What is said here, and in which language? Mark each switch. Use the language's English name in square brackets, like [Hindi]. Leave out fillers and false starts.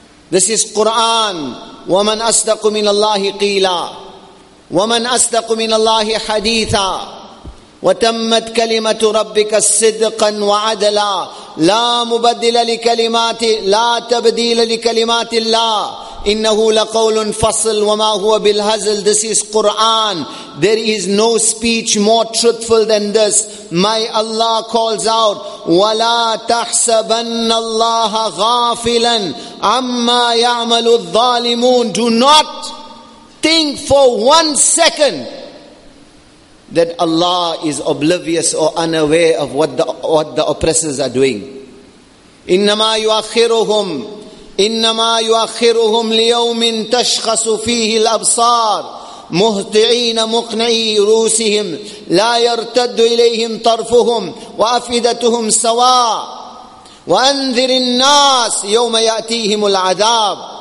[English] This is Quran. [Arabic] وَمَنْ أَصْدَقُ مِنَ اللَّهِ قِيلًا وَمَنْ أَصْدَقُ مِنَ اللَّهِ حَدِيثًا وَتَمَّتْ كَلِمَةُ رَبِّكَ صِدْقًا وَعَدْلًا لَا مُبَدِّلَ لِكَلِمَاتِ لَا تَبْدِيلَ لِكَلِمَاتِ اللَّهِ إِنَّهُ لَقَوْلٌ فَصْلٌ وَمَا هُوَ بِالْهَزْلِ. [English] This is Quran. There is no speech more truthful than this. My Allah calls out, [Arabic] وَلَا تَحْسَبَنَّ اللَّهَ غَافِلًا عَمَّا يَعْمَلُ الظَّالِمُونَ. [English] Do not think for one second that Allah is oblivious or unaware of what the oppressors are doing. [Arabic] إِنَّمَا يُؤَخِّرُهُمْ إِنَّمَا يُؤَخِّرُهُمْ لِيَوْمٍ تَشْخَصُ فِيهِ الْأَبْصَارِ مُهْتِعِينَ مُقْنِعِي رُوسِهِمْ لَا يَرْتَدُّ إِلَيْهِمْ طَرْفُهُمْ وَأَفِدَتُهُمْ سَوَاءٌ وَأَنذِرِ النَّاسِ يَوْمَ يَأْتِيهِمُ الْعَذَابُ.